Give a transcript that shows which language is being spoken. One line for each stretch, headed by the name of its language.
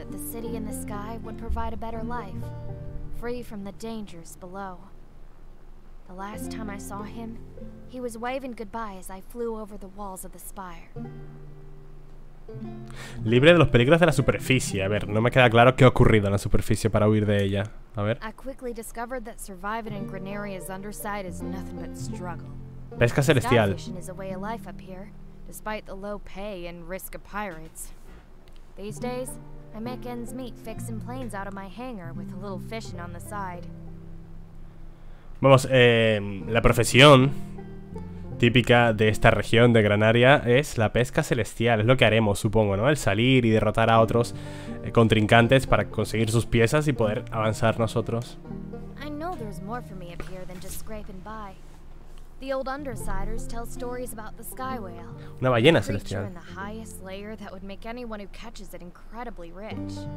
Spanish: Él esperaba que la ciudad en el cielo proporcionaría una vida mejor, libre de los peligros abajo. La última vez que lo vi, él estaba
English: waving goodbye as I flew over the walls of the spire.
Spanish: Libre de los peligros de la superficie. A ver, no me queda claro qué ha ocurrido en la superficie para huir de ella. A ver.
English: I quickly discovered that surviving in Granaria's underside is nothing but struggle.
Spanish: Pesca celestial.
English: Starfishing is a way of life up here, despite the low pay and risk of pirates. These days, I make ends meet fixing planes out of my hangar with a little fishing on the side.
Spanish: Vamos, la profesión típica de esta región de Granaria es la pesca celestial, es lo que haremos, supongo, ¿no? El salir y derrotar a otros contrincantes para conseguir sus piezas y poder avanzar nosotros.
English: I know there's more for me up here than just scraping by. The old undersiders tell stories about the sky whale.
Spanish: Una ballena celestial.
English: The highest layer that would make anyone who catches it incredibly rich.